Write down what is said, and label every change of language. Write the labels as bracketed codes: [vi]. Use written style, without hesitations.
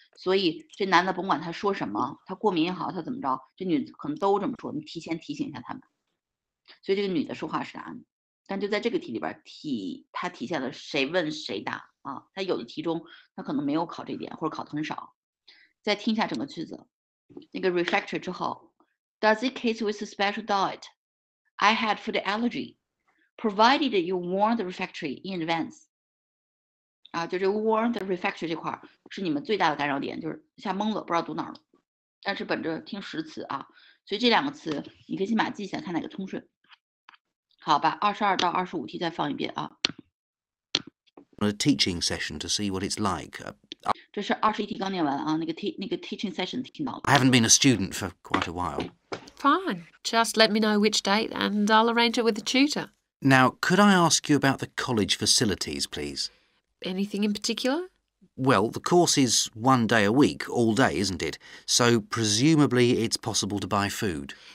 [zh] 所以这男的甭管他说什么，他过敏也好，他怎么着，这女的可能都这么说，你提前提醒一下他们。所以这个女的说话是答案，但就在这个题里边他体现了谁问谁答啊？他有的题中他可能没有考这点，或者考的很少。 [en] 再听一下整个句子， [zh] 那个 [en] refactory [zh] 之后 [en] ，Does it case with a special diet? I had food allergy. Provided you warn the refactory in advance. [zh] 啊，就这个 [en] warn the refactory [zh] 这块是你们最大的干扰点，就是一下懵了，不知道读哪儿了。但是本着听实词啊，所以这两个词你可以先把它记下，看哪个通顺。好吧，22到25题再放一遍啊。 [en] A teaching session to see what it's like. [zh] 这是21题刚念完啊，那个 teaching session 听到了。 [en] I haven't been a student for quite a while. Fine, just let me know which date and I'll arrange it with the tutor. Now, could I ask you about the college facilities, please? Anything in particular? Well, the course is one day a week, all day, isn't it? So presumably it's possible to buy food.